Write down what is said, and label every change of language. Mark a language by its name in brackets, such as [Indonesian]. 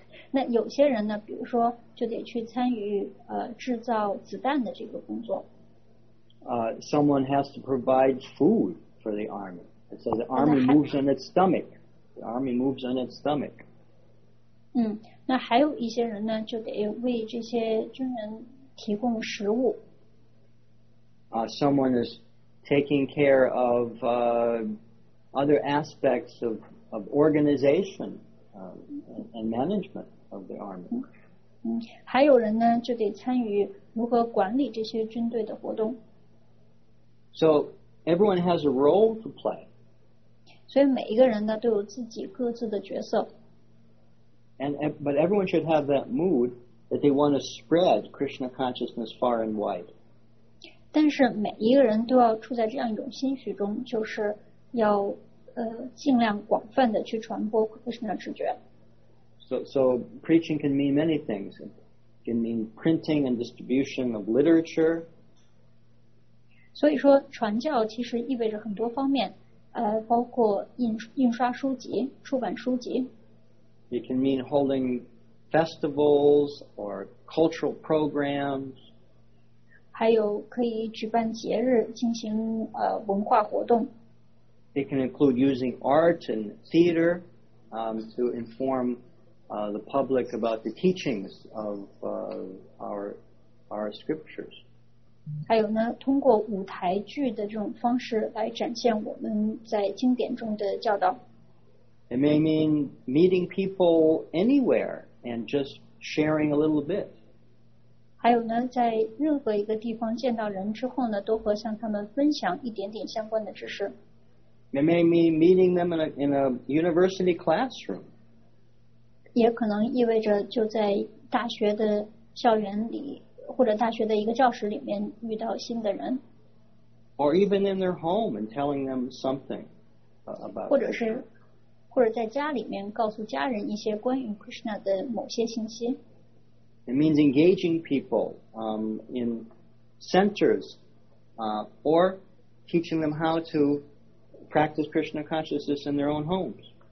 [Chinese] 那有些人呢，比如说，就得去参与制造子弹的这个工作。 [English] Someone has to provide food for the army. It says the army moves on its stomach. The army moves on its stomach. [Chinese] 那还有一些人呢，就得为这些军人提供食物。 [English] Someone is taking care of other aspects of organization and management of the army. [Chinese] 还有人呢，就得参与如何管理这些军队的活动。 [English] So everyone has a role to play. [Chinese] 所以每一个人呢，都有自己各自的角色。 [English] But everyone should have that mood that they want to spread Krishna consciousness far and wide. [Chinese] 但是每一个人都要处在这样一种心绪中，就是要尽量广泛的去传播 Krishna 知觉。 [English] So preaching can mean many things. It can mean printing and distribution of literature. [Chinese] 所以说传教其实意味着很多方面，包括印刷书籍、出版书籍。 [English] It can mean holding festivals or cultural programs. [Chinese] 还有可以举办节日进行文化活动。 [English] It can include using art and theater to inform the public about the teachings of our scriptures. [Chinese] 还有呢，通过舞台剧的这种方式来展现我们在经典中的教导。 [English] It may mean meeting people anywhere and just sharing a little bit. [Chinese] 还有呢，在任何一个地方见到人之后呢，都和向他们分享一点点相关的知识。 [English] It may mean meeting them in a university classroom. [Chinese] 也可能意味着就在大学的校园里或者大学的一个教室里面遇到新的人。 [English] Or even in their home and telling them something about [Chinese] 或者是或者在家里面告诉家人一些关于 Krishna 的某些信息。 [English] It means engaging people in centers or teaching them how to practice Krishna consciousness in their own homes.